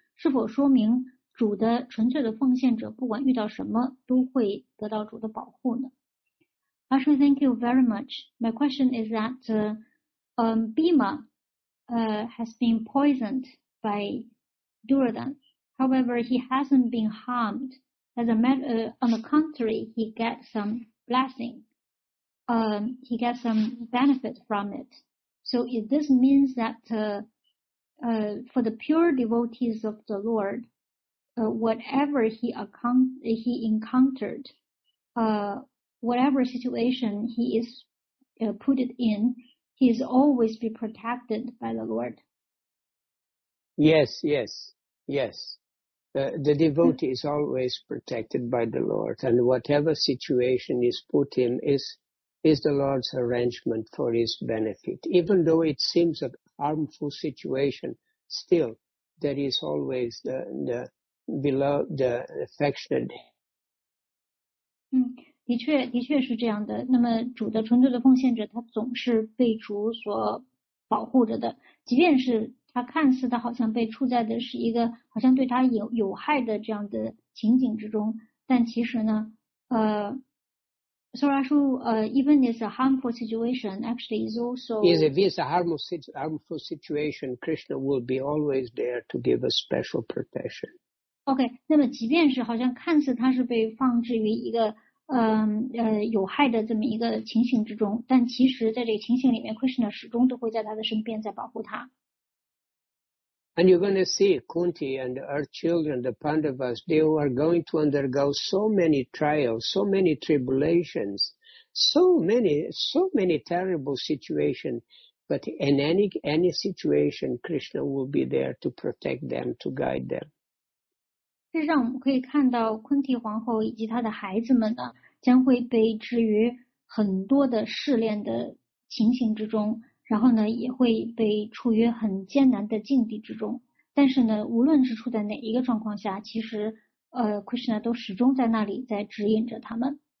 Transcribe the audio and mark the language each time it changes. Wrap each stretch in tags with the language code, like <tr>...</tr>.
<zh>是否说明主的纯粹的奉献者不管遇到什么都会得到主的保护呢?</zh> <en>Actually, thank you very much. My question is that Bhima has been poisoned by Duryodhana. However, he hasn't been harmed. As a matter, on the contrary, he gets some blessing. He gets some benefit from it. So if this means that for the pure devotees of the Lord, whatever he encountered, whatever situation he is put it in, he is always be protected by the Lord. Yes. The devotee is always protected by the Lord, and whatever situation is put in is the Lord's arrangement for his benefit, even though it seems a harmful situation. Still, there is always the beloved, the affectionate.</en> <zh>的确是这样的。那么主的纯粹的奉献者，他总是被主所保护着的。即便是他看似的好像被处在的是一个好像对他有害的这样的情景之中，但其实呢，苏拉叔，</zh> <en>even this harmful situation actually is also is if it's a harmful situation, Krishna will be always there to give a special protection.</en> <zh>Okay, 那么即便是好像看似他是被放置于一个有害的这么一个情形之中，但其实在这个情形里面 ，Krishna 始终都会在他的身边，在保护他。</zh> <en>And you're going to see Kunti and her children, the Pandavas, they are going to undergo so many trials, so many tribulations, so many terrible situations. But in any situation, Krishna will be there to protect them, to guide them.</en> <zh>事实上，我们可以看到 Kunti 皇后以及她的孩子们呢，将会被置于很多的试炼的情形之中。然后呢，也会被处于很艰难的境地之中。但是呢，无论是处在哪一个状况下，其实Krishna 都始终在那里，在指引着他们。</zh>